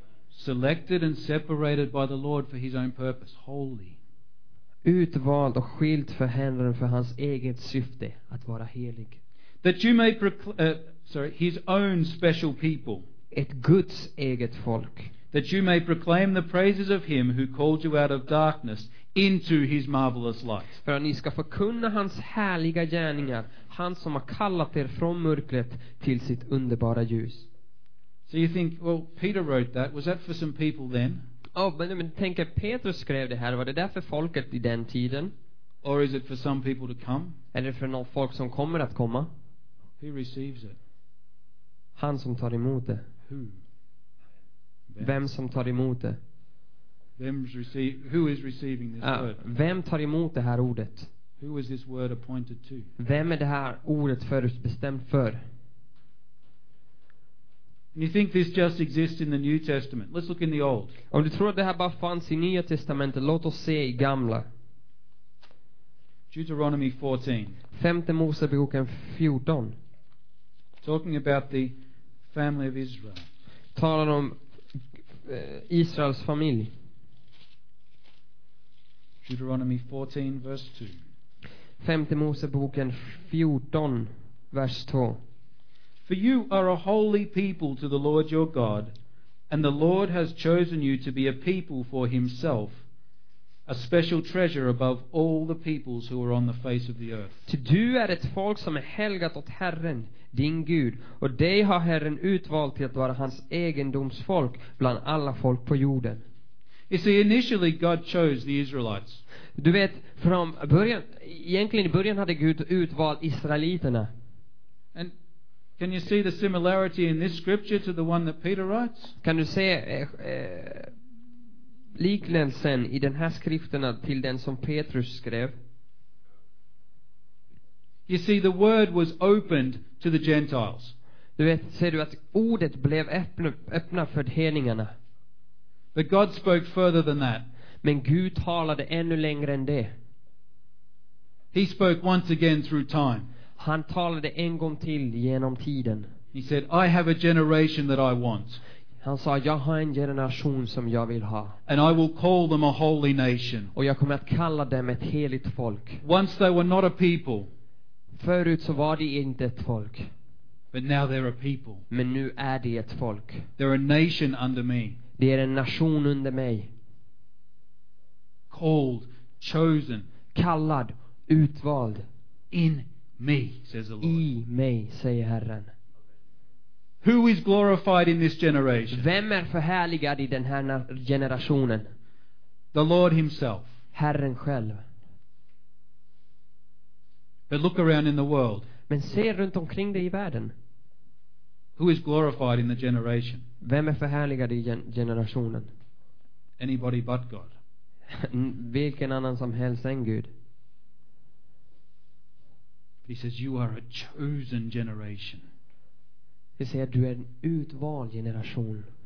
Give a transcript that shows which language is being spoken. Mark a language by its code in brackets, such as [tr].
[en] Selected and separated by the Lord for his own purpose. Holy. [sv] Utvald och skilt för Herren för hans eget syfte att vara helig. [en] That you may proclaim his own special people. [sv] Ett Guds eget folk. [en] That you may proclaim the praises of him who called you out of darkness into his marvelous light. [sv] För att ni ska förkunna hans härliga gärningar, han som har kallat er från mörkret till sitt underbara ljus. [en] So you think, well, Peter wrote that. Was that for some people then? [sv] Oh, men tänk att Petrus skrev det här. Var det där för folket i den tiden? [en] Or is it for some people to come? [sv] Är det för någon folk som kommer att komma? [en] Who receives it? [sv] Han som tar emot det. [en] Who? [sv] Vem som tar emot det? [en] Who is receiving this word? [sv] Vem tar emot det här ordet? [en] Who is this word appointed to? [sv] Vem är det här ordet förutbestämt för? [en] And you think this just exists in the New Testament? Let's look in the Old. [sv] Om du tror att det här bara fanns i Nya Testamentet, låt oss se i Gamla. [en] Deuteronomy 14. [sv] Femte Moseboken 14. [en] Talking about the family of Israel. [sv] Talar om Israels familj. [en] Deuteronomy 14 verse 2. [sv] Femte Moseboken 14 vers 2. [en] For you are a holy people to the Lord your God, and the Lord has chosen you to be a people for himself, a special treasure above all the peoples who are on the face of the earth. [sv] Ty du är ett folk som är helgat åt Herren, din Gud, och dig har Herren utvalt till att vara hans egendomsfolk bland alla folk på jorden. [en] You see, initially God chose the Israelites. [sv] Du vet, från början, egentligen i början hade Gud utvalt israeliterna. [en] And can you see the similarity in this scripture to the one that Peter writes? [sv] Kan du se liknelsen i den här skriften till den som Petrus skrev? [en] You see, the word was opened to the Gentiles. [sv] Du vet, ser du att ordet blev öppna för hedningarna. [en] But God spoke further than that. [sv] Men Gud talade ännu längre än det. [en] He spoke once again through time. [sv] Han talade en gång till genom tiden. [en] He said, I have a generation that I want. [sv] Han sa, jag har en generation som jag vill ha. [en] And I will call them a holy nation. [sv] Och jag kommer att kalla dem ett heligt folk. [en] Once they were not a people. [sv] Förut så var de inte ett folk. [en] But now they're a people. [sv] Men nu är de ett folk. [en] They're a nation under me. [sv] De är en nation under mig. [en] Called, chosen. [sv] Kallad, utvald. [en] In me, says the Lord. [sv] I mig, säger Herren. [en] Who is glorified in this generation? [sv] Vem är förhärligad i den här generationen? [en] The Lord himself. [sv] Herren själv. [en] But look around in the world. [sv] Men se runt omkring dig i världen. [en] Who is glorified in the generation? [sv] Vem är förhärligad i generationen? [en] Anybody but God. [sv] Vilken annan som helst än Gud. [en] He says you are a chosen generation. [sv] Det säger du är en utvald generation.